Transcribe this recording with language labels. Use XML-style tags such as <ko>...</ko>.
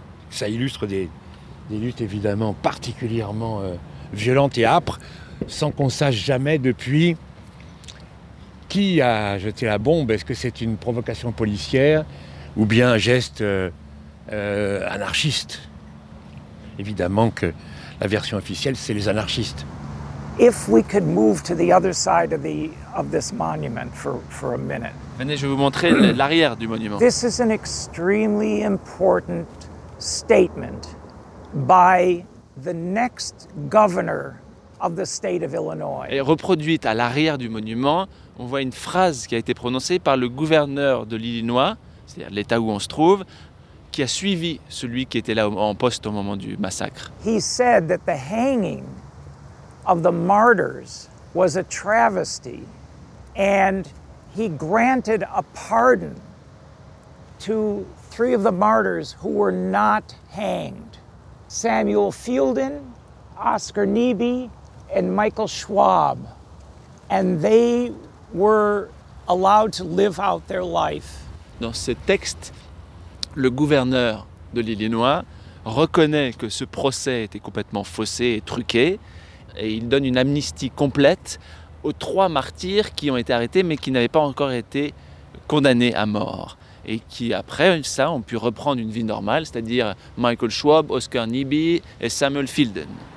<fr>Ça illustre des luttes évidemment particulièrement violentes et âpres, sans qu'on sache jamais depuis qui a jeté la bombe. Est-ce que c'est une provocation policière ou bien un geste anarchiste? Évidemment que la version officielle, c'est les anarchistes.</fr> <en>If we could move to the other side of this monument for a minute.</en> <fr>Venez, je vais vous montrer l'arrière du monument.</fr> <en>This is an extremely important statement by the next governor of the state of Illinois.</en> <fr>Et reproduite à l'arrière du monument, on voit une phrase qui a été prononcée par le gouverneur de l'Illinois, c'est-à-dire l'état où on se trouve, qui a suivi celui qui était là en poste au moment du massacre.</fr> <en>He said that the hanging of the martyrs was a travesty, and he granted a pardon to 3 of the martyrs who were not hanged: Samuel Fielden, Oscar Niebe, and Michael Schwab. And they were allowed to live out their life.</en> <fr>Dans ce texte, le gouverneur de l'Illinois reconnaît que ce procès était complètement faussé et truqué, et il donne une amnistie complète aux 3 martyrs qui ont été arrêtés mais qui n'avaient pas encore été condamnés à mort et qui, après ça, ont pu reprendre une vie normale, c'est-à-dire Michael Schwab, Oscar Niebi et Samuel Fielden.</fr>